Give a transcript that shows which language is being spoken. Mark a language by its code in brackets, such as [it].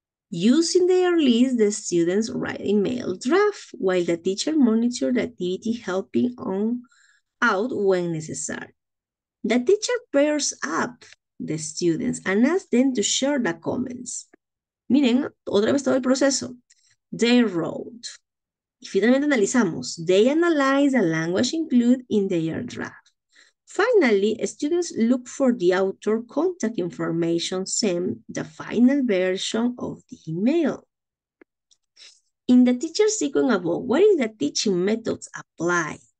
[en] Using their list, the students write email draft while the teacher monitors the activity, helping on out when necessary. The teacher pairs up the students and asks them to share the comments. [es] Miren, otra vez todo el proceso. [en] They wrote. [es] Y finalmente analizamos. [en] They analyze the language included in their draft. Finally, students look for the author contact information, send the final version of the email. In the teacher sequence above, what is the teaching methods applied?